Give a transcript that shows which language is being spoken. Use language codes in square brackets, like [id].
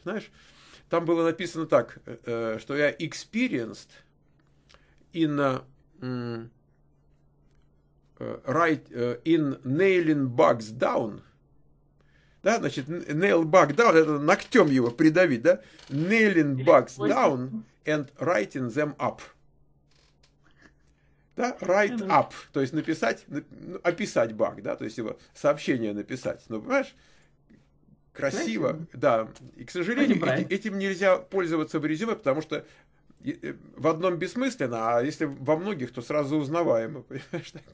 [ru] Знаешь, там было написано так, что я [en] experienced in nailing bugs down. [ru] Да, значит, [en] nail bug down, [ru] это ногтем его придавить, да? [en] Nailing bugs down and writing them up. [ru] Да, write up, то есть написать, описать баг, да, то есть его сообщение написать. Ну, понимаешь, красиво, Красиво. да. И, к сожалению, Будем брать. этим нельзя пользоваться в резюме, потому что в одном бессмысленно, а если во многих, то сразу узнаваемо, понимаешь?